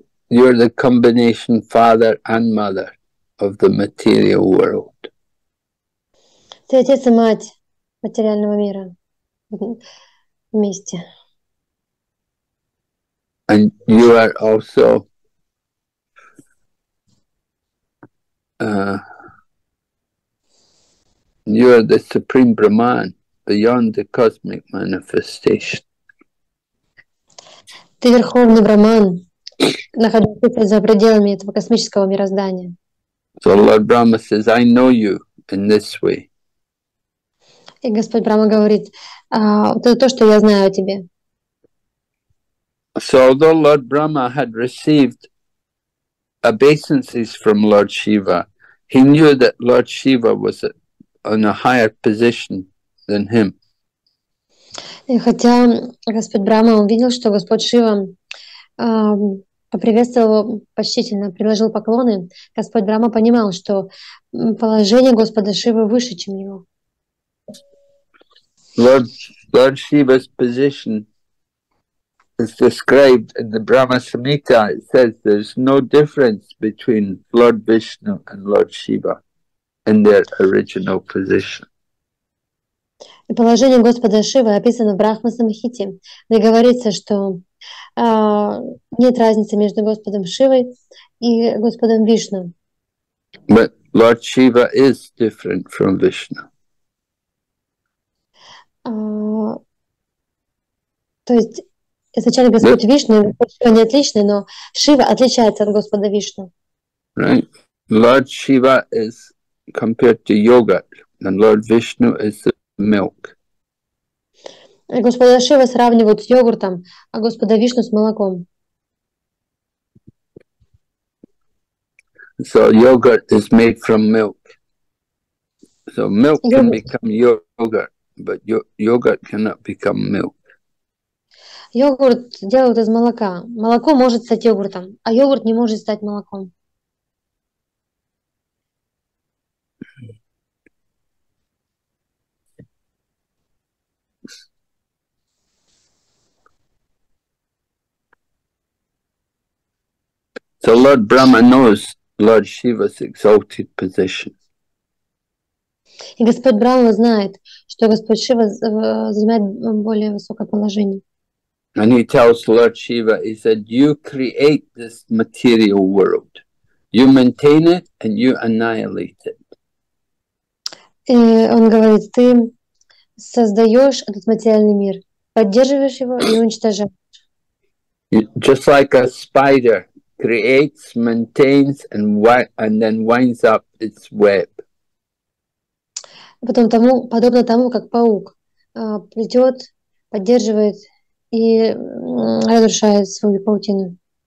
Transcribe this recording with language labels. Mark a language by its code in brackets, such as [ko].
[en] You are the combination father and mother of the material world. [ru] Ты отец и мать материального мира вместе. [en] And you are also you are the supreme Brahman beyond the cosmic manifestation. [ru] Ты верховный Брахман находящихся за пределами этого космического мироздания. [en] So Lord Brahma says, I know you in this way. [ru] И Господь Брама говорит, это то, что я знаю о тебе. [en] So although Lord Brahma had received obeisances from Lord Shiva, he knew that Lord Shiva was in a higher position than him. [ru] И хотя Господь Брама увидел, что Господь Шива поприветствовал его почтительно, приложил поклоны, Господь Брама понимал, что положение Господа Шивы выше, чем его. [en] Lord Shiva's position is described in the Brahma Samhita. It says there's no difference between Lord Vishnu and Lord Shiva in their original position. [ru] И положение Господа Шивы описано в Брахма Самхите, где говорится, что нет разницы между Господом Шивой и Господом Вишну. [en] But Lord Shiva is different from Vishnu. [ru] То есть изначально Господь Вишну и Господь Шива не отличны, но Шива отличается от Господа Вишну. [en] Right. Lord Shiva is compared to yogurt, and Lord Vishnu is the milk. [ru] Господа Шива сравнивают с йогуртом, а Господа Вишну с молоком. [en] So yogurt is made from milk. So milk can become yogurt, but yogurt cannot become milk. [ru] Йогурт делают из молока. Молоко может стать йогуртом, а йогурт не может стать молоком. [en] So Lord Brahma knows Lord Shiva's exalted position. [ru] И Господь Брама знает, что Господь Шива занимает более высокое положение. [en] And he tells Lord Shiva, he said, you create this material world. You maintain it and you annihilate it. [ru] И он говорит, ты создаешь этот материальный мир, поддерживаешь его и уничтожаешь. [en] Just like a spider creates, maintains, and then winds up its web. [ru] Потом тому, подобно тому, как паук плетет, поддерживает и разрушает свою паутину.